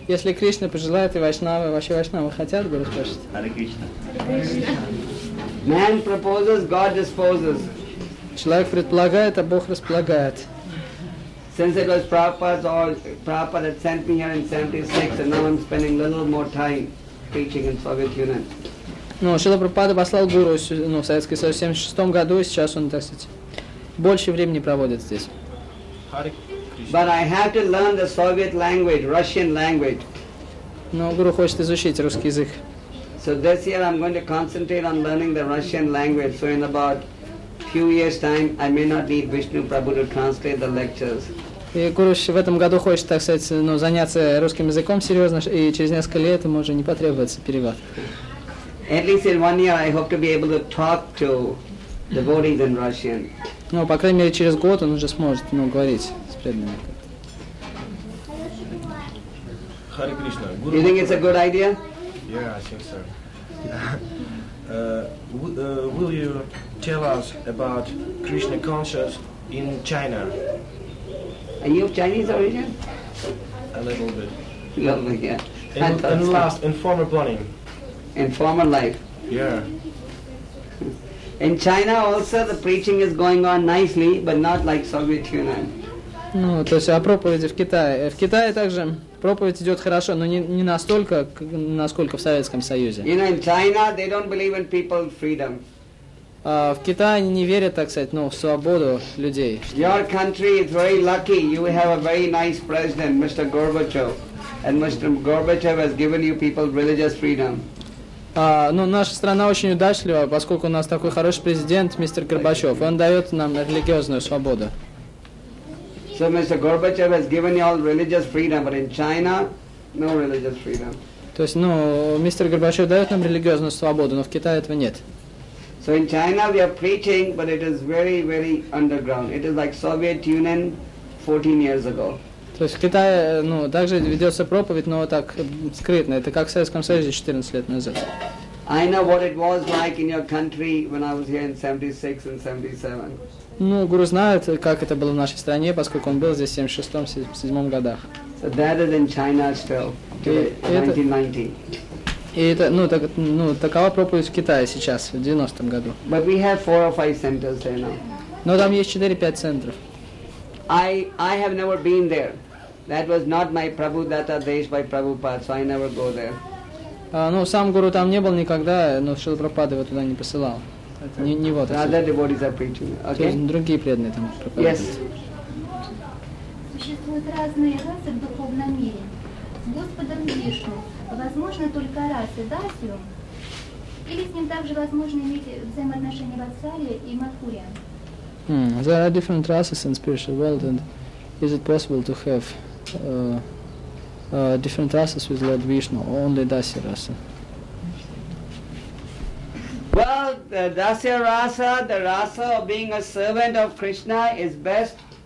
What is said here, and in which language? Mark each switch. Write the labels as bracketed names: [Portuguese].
[Russian] если Кришна пожелает и Вайшнавы, вообще Вайшнавы хотят, Гуру спрашивает. Харе Кришна. [English] Man proposes, God disposes. [Russian] Человек предполагает, а Бог располагает. [English] Since it was Prabhupada that sent me here in 76, and now I'm spending a little more time preaching in Soviet Union. [Russian] Ну, Шрила Прабхупада послал Гуру, ну, в Советский Союз в 76 году, и сейчас он, так сказать, больше времени проводит здесь. [English] But I have to learn the Soviet language, Russian language. [Russian] Но гуру хочет изучить русский язык. [English] So this year I'm going to concentrate on learning the Russian language. So in about few years' time, I may not need Vishnu Prabhu to translate the lectures. [Russian] И Гуруш в этом году хочет, так сказать, ну, заняться русским языком серьезно, и через несколько лет ему уже не потребуется перевод. [English] At least in one year I hope to be able to talk to devotees in Russian. [Russian] Ну, по крайней мере, через год он уже сможет, ну, говорить с преданными. [English] Hare Krishna. You think it's a good idea? Yeah, I think so. Will you tell us about Krishna consciousness in China? Are you of Chinese origin? A little bit. Lovely, yeah. In former planning. In former life. Yeah. In China also the preaching is going on nicely, but not like Soviet Union. [Russian] Ну, то есть о проповеди в Китае. В Китае также проповедь идет хорошо, но не настолько, насколько в Советском Союзе. [English] You know, in China they don't believe in people's freedom. [Russian] В Китае они не верят, так сказать, ну, в свободу людей. [English] Your country is very lucky. You have a very nice president, Mr. Gorbachev. And Mr. Gorbachev has given you people religious freedom. [Russian] Ну, наша страна очень удачлива, поскольку у нас такой хороший президент, мистер Горбачев. Он дает нам религиозную свободу. [English] So Mr. Gorbachev has given you all religious freedom, but in China, no religious freedom. [Russian] То есть, ну, мистер Горбачев дает нам религиозную свободу, но в Китае этого нет. [English] So in China we are preaching, but it is very, very underground. It is like Soviet Union 14 years ago. [Russian] То есть в Китае, ну, также ведется проповедь, но так скрытно. Это как в Советском Союзе 14 лет назад. [English] I know what it was like in your country when I was here in 76 and 77. [Russian] Ну, Гуру знает, как это было в нашей стране, поскольку он был здесь в 76-77 годах. [English] So that is in China still, 1990. [Russian] И это, ну, так, ну, такова проповедь в Китае сейчас, в 90-м году. [English] But we have 4 or 5 centers there now. [Russian] Но там есть 4-5 центров. [English] I have never been there. That was not my Prabhudatta desh by Prabhupada, so I never go there. [Russian] Ну, сам Гуру там не был никогда, но Шрила Прабхупада его туда не посылал. Это не вот. [English] Other devotees are preaching. Okay. [Russian] То есть другие преданные там проповедуют. [English] Yes. [Russian] Существуют разные расы в духовном мире. С Господом Вишну возможно только расы Дасью, или с ним также возможно иметь взаимоотношения в Ацаре и Матхуре? [English] There are different races in spiritual world, and is it possible to have different races with Lord Vishnu, or only Dasya Rasa? Well, the Dasya Rasa, the Rasa of being a servant of Krishna, is best.